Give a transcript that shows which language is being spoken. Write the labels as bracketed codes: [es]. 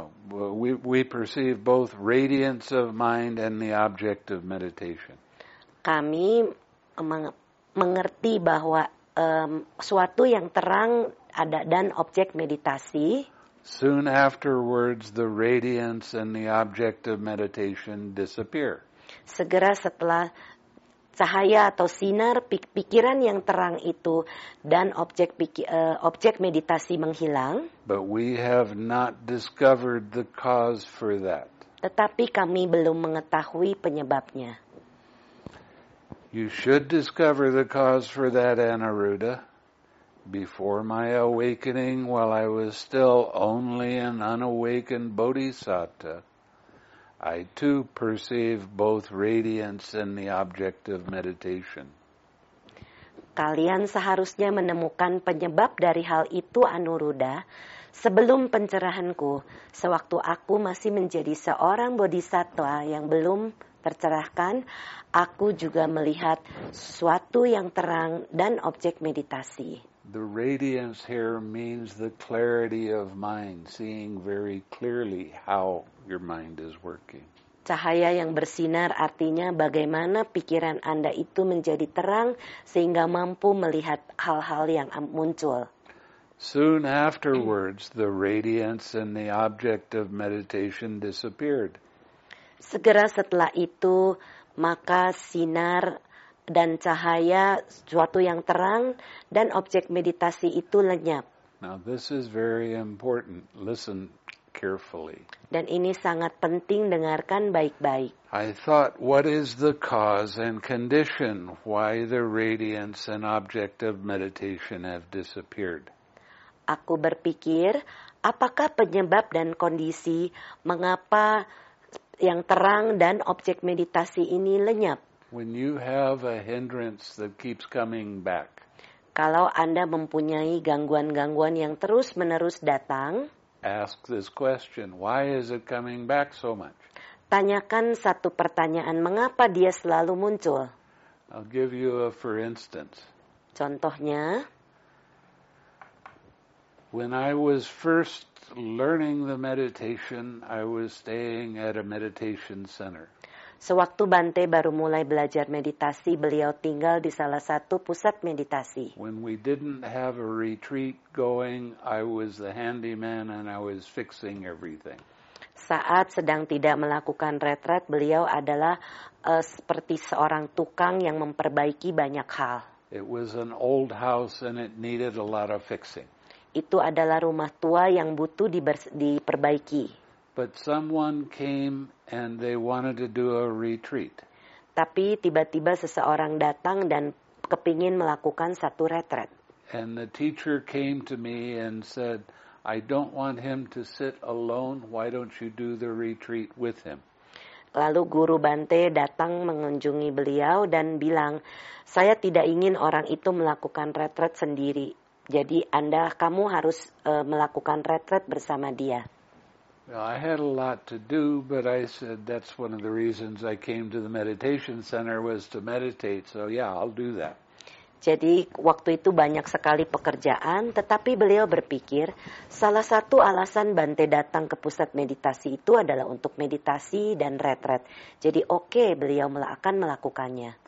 [en] We perceive both radiance of mind and the object of meditation. [id] Kami mengerti bahwa suatu yang terang ada dan objek meditasi. [en] Soon afterwards, the radiance and the object of meditation disappear. [id] Segera setelah cahaya atau sinar pikiran yang terang itu dan objek meditasi menghilang. [en] But we have not discovered the cause for that. [id] Tetapi kami belum mengetahui penyebabnya. [en] You should discover the cause for that, Aniruddha. Before my awakening, while I was still only an unawakened bodhisattva, I too perceived both radiance and the object of meditation. [id] Kalian seharusnya menemukan penyebab dari hal itu, Anuruddha, sebelum pencerahanku, sewaktu aku masih menjadi seorang bodhisattva yang belum tercerahkan, aku juga melihat suatu yang terang dan objek meditasi. [en] The radiance here means the clarity of mind, seeing very clearly how your mind is working. [id] Cahaya yang bersinar artinya bagaimana pikiran Anda itu menjadi terang sehingga mampu melihat hal-hal yang muncul. [en] Soon afterwards, the radiance and the object of meditation disappeared. [id] Segera setelah itu, maka sinar dan cahaya, suatu yang terang, dan objek meditasi itu lenyap. [en] Now this is very important. Listen carefully. [id] Dan ini sangat penting, dengarkan baik-baik. [en] I thought, what is the cause and condition why the radiance and object of meditation have disappeared? [id] Aku berpikir, apakah penyebab dan kondisi mengapa yang terang dan objek meditasi ini lenyap? [en] When you have a hindrance that keeps coming back. [id] Kalau Anda mempunyai gangguan-gangguan yang terus-menerus datang, [en] ask this question, why is it coming back so much? [id] Tanyakan satu pertanyaan, mengapa dia selalu muncul? [en] I'll give you a for instance. [id] Contohnya, [en] when I was first learning the meditation, I was staying at a meditation center. [id] Sewaktu Bante baru mulai belajar meditasi, beliau tinggal di salah satu pusat meditasi. [en] When we didn't have a retreat going, I was the handyman and I was fixing everything. [id] Saat sedang tidak melakukan retret, beliau adalah seperti seorang tukang yang memperbaiki banyak hal. [en] It was an old house and it needed a lot of fixing. [id] Itu adalah rumah tua yang butuh diperbaiki. [en] But someone came and they wanted to do a retreat. [id] Tapi tiba-tiba seseorang datang dan kepingin melakukan satu retret. [en] And the teacher came to me and said, I don't want him to sit alone. Why don't you do the retreat with him? [id] Lalu guru Bante datang mengunjungi beliau dan bilang, saya tidak ingin orang itu melakukan retret sendiri. Jadi kamu harus melakukan retret bersama dia. [en] Well, I had a lot to do, but I said that's one of the reasons I came to the meditation center was to meditate. So yeah, I'll do that. [id] Jadi waktu itu banyak sekali pekerjaan, tetapi beliau berpikir salah satu alasan Bante datang ke pusat meditasi itu adalah untuk meditasi dan retret. Jadi okay, beliau akan melakukannya.